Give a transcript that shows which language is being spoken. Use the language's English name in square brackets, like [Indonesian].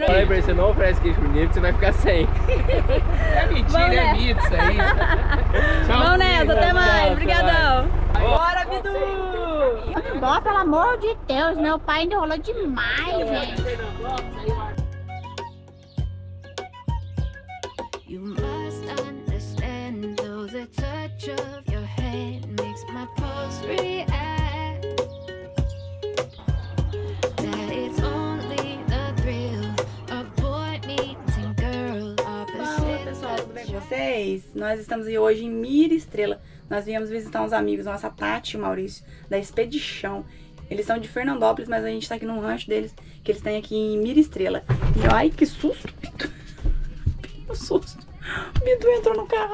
[Portuguese] Não, lembra, você não oferece queijo mineiro, você vai ficar sem. É mentira, é mito isso aí. Tchau, vamos nessa, até mais. Obrigadão. Bora, Bidu! Bora, pelo amor de Deus, meu pai enrolou demais, velho. [English] You must understand, though the touch of your hand makes my pulse react, that it's only the thrill of boy meeting girl opposite. [Portuguese] Fala, pessoal, tudo bem com vocês? Nós estamos aí hoje em Mira Estrela. Nós viemos visitar uns amigos, nossa Tati e o Maurício, da Expedição. Eles são de Fernandópolis, mas a gente tá aqui num rancho deles, que eles têm aqui em Mira Estrela. E ai, que susto, Bidu. Que susto. Bidu entrou no carro.